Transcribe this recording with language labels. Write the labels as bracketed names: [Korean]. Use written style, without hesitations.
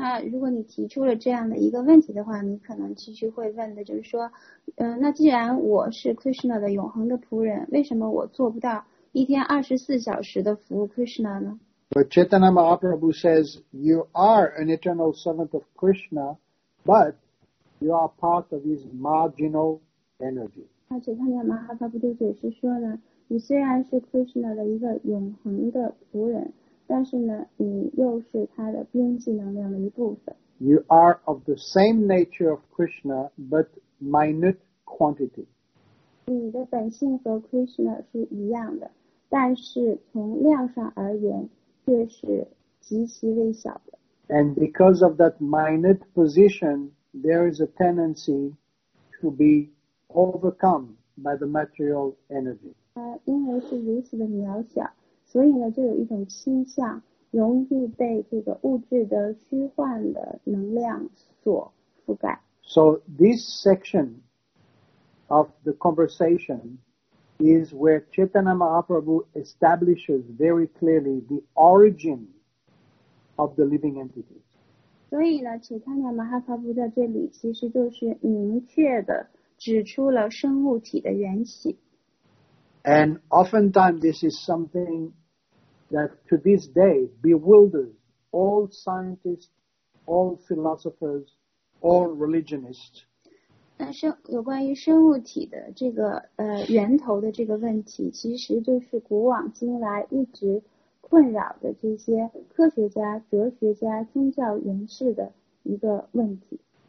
[Chinese] 如果你提出了这样的一个问题的话，你可能其实会问的就是说，那既然我是 Krishna 的永恒的仆人，为什么我做不到一天24小时的服务 Krishna 呢？ [English] But Chaitanya Mahaprabhu says, you are an eternal servant of Krishna, but you are part of his marginal energy. [Chinese] 他解释的马哈萨布多解释说呢，你虽然是 Krishna 的一个永恒的仆人，但是呢，你又是他的边际能量的一部分。 [English] You are of the same nature of Krishna, but minute quantity. [Chinese] 你的本性和 Krishna 是一样的，但是从量上而言，却是极其微小的。 [English] And because of that minute position, there is a tendency to beOvercome by the material energy. [Chinese] 因为是如此的渺小，所以呢，就有一种倾向，容易被这个物质的虚幻的能量所覆盖。 [English] So this section of the conversation is where Chaitanya Mahaprabhu establishes very clearly the origin of the living entities. [Chinese] 所以呢，齐坦纳马哈帕布在这里其实就是明确的。指出了生物体的缘起。 [English] And oftentimes this is something that to this day bewilders all scientists, all philosophers, all religionists. [Chinese] 有关于生物体的这个源头的这个问题，其实就是古往今来一直困扰的这些科学家、哲学家、宗教人士的一个问题。